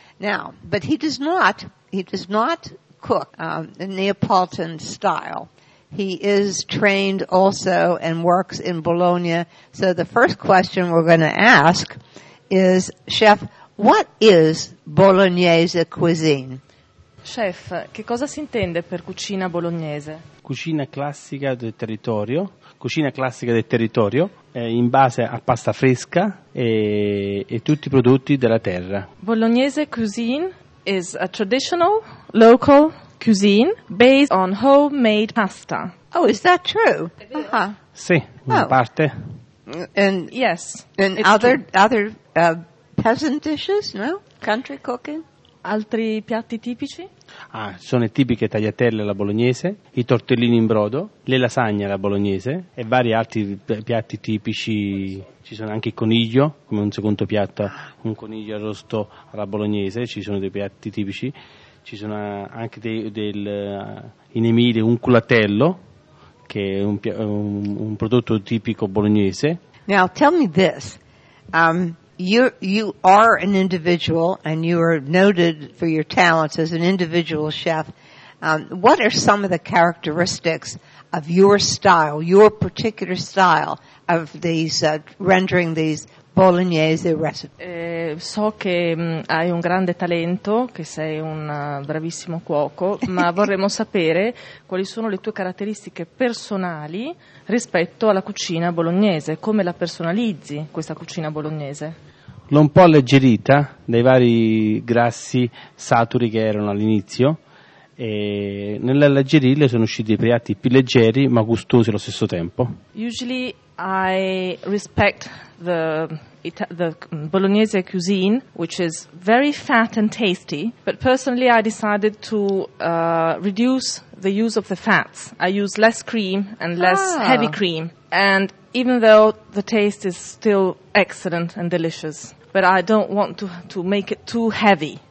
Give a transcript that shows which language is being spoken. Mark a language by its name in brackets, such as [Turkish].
[English] Now, but he does not cook Neapolitan style. He is trained also and works in Bologna. So the first question we're going to ask is, Chef, what is Bolognese cuisine? [Italian] Chef, che cosa si intende per cucina bolognese? Cucina classica del territorio. Cucina classica del territorio, in base a pasta fresca e tutti i prodotti della terra. [English] Bolognese cuisine is a traditional local cuisine based on homemade pasta. Oh, is that true? Uh-huh. [Italian] Sì, una parte. [English] And yes. And other peasant dishes, no? Country cooking? [Italian] Altri piatti tipici? Ah, sono le tipiche tagliatelle alla bolognese, i tortellini in brodo, le lasagne alla bolognese e vari altri piatti tipici. Ci sono anche il coniglio come un secondo piatto, un coniglio arrosto alla bolognese, ci sono dei piatti tipici. Ci sono anche in Emilia un culatello, che è un prodotto tipico bolognese. [English] Now tell me this. You are an individual and you are noted for your talents as an individual chef. What are some of the characteristics of your style, your particular style of these rendering these bolognese recipes? [Italian] So che hai un grande talento, che sei un bravissimo cuoco, ma vorremmo sapere quali sono le tue caratteristiche personali rispetto alla cucina bolognese, come la personalizzi questa cucina bolognese? L'ho un po' alleggerita dai vari grassi saturi che erano all'inizio e nell'alleggerirle sono usciti dei piatti più leggeri ma gustosi allo stesso tempo. [English] Usually I respect the Bolognese cuisine, which is very fat and tasty, but personally I decided to reduce the use of the fats. I use less cream and less heavy cream, and even though the taste is still excellent and delicious, but I don't want to make it too heavy.